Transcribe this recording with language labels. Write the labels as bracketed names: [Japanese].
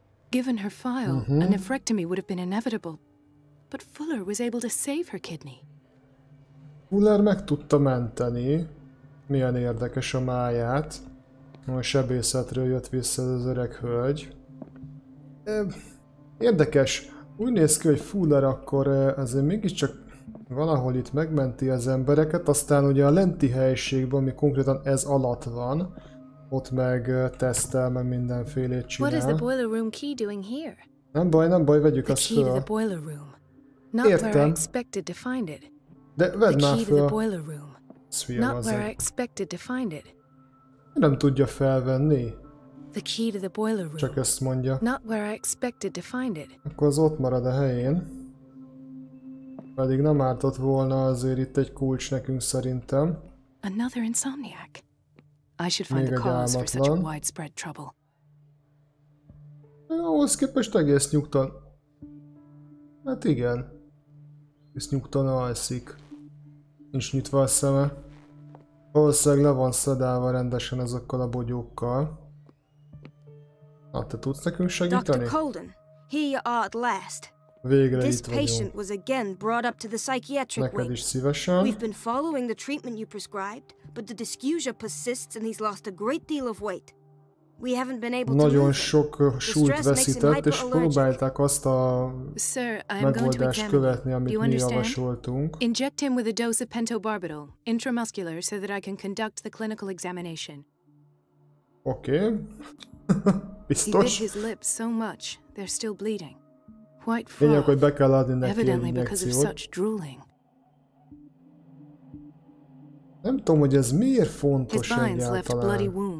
[English] Given her file, a nephrectomy would have been inevitable. But Fuller was able to save her kidney. [Hungarian] Fuller meg tudta menteni. Milyen érdekes a máját. A sebészetről jött vissza az öreg hölgy. Érdekes. Úgy néz ki, hogy Fuller akkor azért mégiscsak valahol itt megmenti az embereket. Aztán ugye a lenti helyiségben, ami konkrétan ez alatt van, ott meg tesztel, meg mindenfélét csinál. [English] What is the boiler room key doing here? [Hungarian] Nem baj, vegyük azt föl. [English] The key to the boiler room. Not where I expected to find it. [Hungarian] De vedd már föl. [English] The key to the boiler room. Not where I expected to find it. [Hungarian] Nem tudja felvenni. [English] The key to the boiler room. [Hungarian] Csak ezt mondja. [English] Not where I expected to find it. [Hungarian] Akkor az ott marad a helyén. Pedig nem ártott volna azért itt egy kulcs nekünk szerintem. [English] Another insomniac. I should find the cause for such a widespread trouble. [Hungarian] Ahhoz képest egész nyugton. Hát igen. Egész nyugton alszik. Nincs nyitva a szeme. Valószínűleg le van szedálva rendesen azokkal a bogyókkal. Hát te tudsz nekünk segíteni? [English] Dr. Kolden, here you are at last. [Hungarian] Végre itt vagyunk. [English] This patient was again brought up to the psychiatric wing. [Hungarian] Neked is szívesen. [English] We've been following the treatment you prescribed, but the dysgeusia persists and he's lost a great deal of weight. We haven't been able to [Hungarian] nagyon sok súlyt veszített, és próbálták azt a megoldást követni, amit mi javasoltunk. [English] Inject him with a dose of pentobarbital, intramuscular, so that I can conduct the clinical examination. [Hungarian] Oké. Biztos. [English] He bit his lips so much, they're still bleeding. [Hungarian] Lényeg, hogy be kell adni neki egy injekciót. Nem tudom, hogy ez miért fontos egyáltalán.